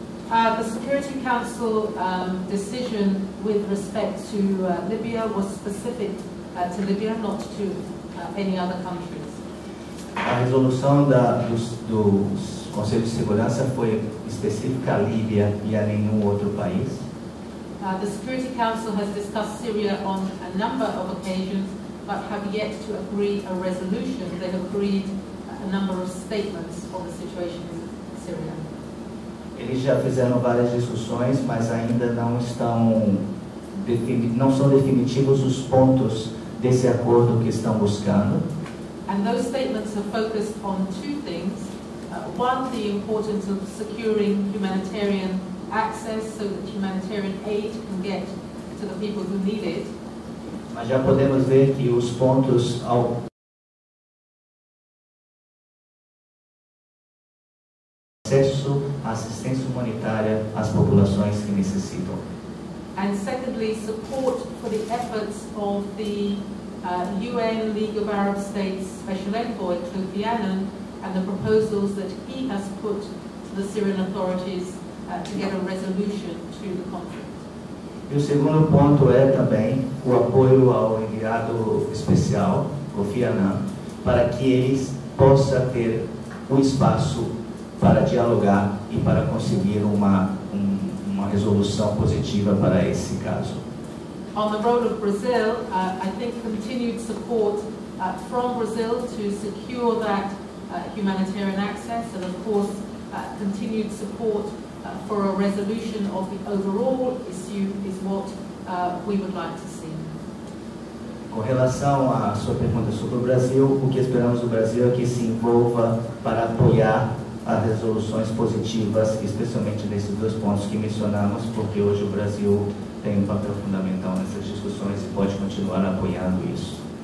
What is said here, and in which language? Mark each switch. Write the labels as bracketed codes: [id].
[en] The Security Council decision with respect to Libya was specific to Libya, not to any other countries. [pt] A resolução do Conselho de Segurança foi específica à Líbia e a nenhum outro país. [en] The Security Council has discussed Syria on a number of occasions, but have yet to agree a resolution. They have agreed a number of statements on the situation in Syria. [pt] Eles já fizeram várias discussões, mas ainda não são definitivos os pontos desse acordo que estão buscando. [en] And those statements have focused on two things. One, the importance of securing humanitarian access so that humanitarian aid can get to the people who need it. [pt] Mas já podemos ver que os pontos ao acesso à assistência humanitária às populações que necessitam. [en] And secondly, support for the efforts of the UN League of Arab States Special Envoy Kofi Annan and the proposals that he has put to the Syrian authorities to get a resolution to the conflict. [pt] E o segundo ponto é também o apoio ao enviado especial, Kofi Annan, para que ele possa ter um espaço para dialogar e para conseguir uma resolução positiva para esse caso. [en] On the role of Brazil, I think continued support from Brazil to secure that humanitarian access and, of course, continued support for a resolution of the overall issue is what we would like to see. [pt] Com relação à sua pergunta sobre o Brasil, o que esperamos do Brasil é que se envolva para apoiar as resoluções positivas, especialmente nesses dois pontos que mencionamos, porque hoje o Brasil tem um papel fundamental nessas discussões e pode continuar apoiando isso.